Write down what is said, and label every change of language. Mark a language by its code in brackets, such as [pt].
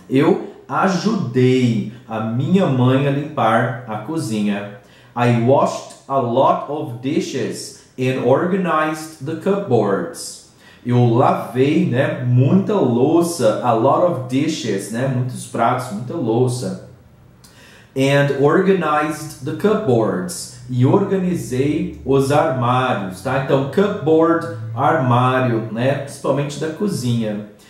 [pt] Eu ajudei a minha mãe a limpar a cozinha. [en] I washed a lot of dishes and organized the cupboards. [pt] Eu lavei, né, muita louça, [en] a lot of dishes, [pt] né, muitos pratos, muita louça. [en] And organized the cupboards. [pt] E organizei os armários, tá? Então, cupboard, armário, né, principalmente da cozinha.